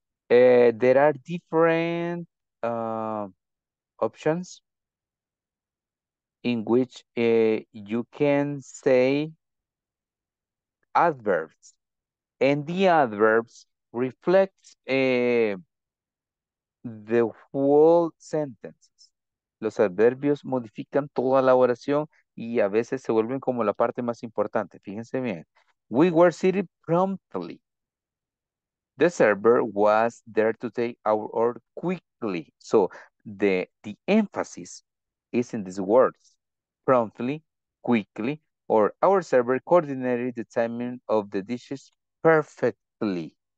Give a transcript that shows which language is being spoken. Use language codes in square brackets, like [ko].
[en] There are different options in which you can say adverbs, and the adverbs reflect the whole sentences. [es] Los adverbios modifican toda la oración y a veces se vuelven como la parte más importante. Fíjense bien. [en] We were seated promptly. The server was there to take our order quickly. So the emphasis is in these words, promptly, quickly, or our server coordinated the timing of the dishes perfectly.